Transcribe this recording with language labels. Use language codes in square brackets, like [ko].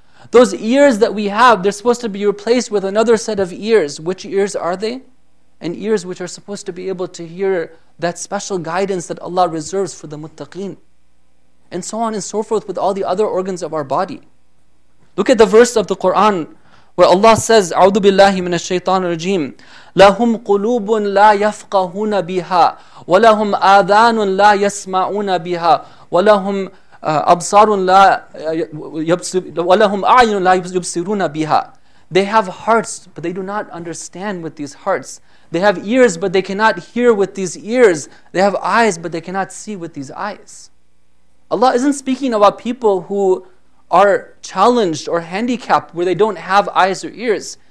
[en] Those ears that we have, they're supposed to be replaced with another set of ears. Which ears are they? And ears which are supposed to be able to hear that special guidance that Allah reserves for the muttaqeen. And so on and so forth with all the other organs of our body. Look at the verse of the Quran where Allah says, [ar] أعوذ بالله من الشيطان الرجيم لهم قلوب لا يفقهون بها ولهم آذان لا يسمعون بها ولهم أبصار لا يبصر ولهم أعين لا يبصرون بها. [en] They have hearts, but they do not understand with these hearts. They have ears, but they cannot hear with these ears. They have eyes, but they cannot see with these eyes. Allah isn't speaking about people who are challenged or handicapped where they don't have eyes or ears.